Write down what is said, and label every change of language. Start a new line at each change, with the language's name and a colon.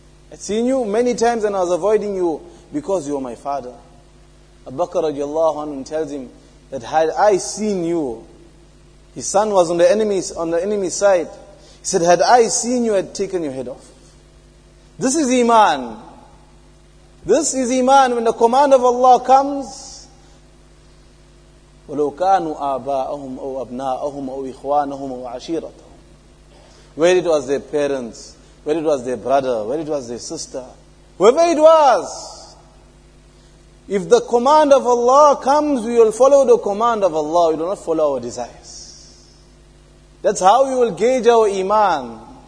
English: I'd seen you many times and I was avoiding you because you were my father. Abu Bakr radiallahu anhu tells him that had I seen you, his son was on the enemy's side. He said, had I seen you, I'd taken your head off. This is iman. This is iman. When the command of Allah comes,
Arabic: وَلَوْ كَانُوا آبَاءَهُمْ أَوْ أَبْنَاءَهُمْ أَوْ إِخْوَانَهُمْ أَوْ عَشِيرَتَهُمْ.
English: Where it was their parents, where it was their brother, where it was their sister, whoever it was. If the command of Allah comes, we will follow the command of Allah. We do not follow our desires. That's how we will gauge our iman.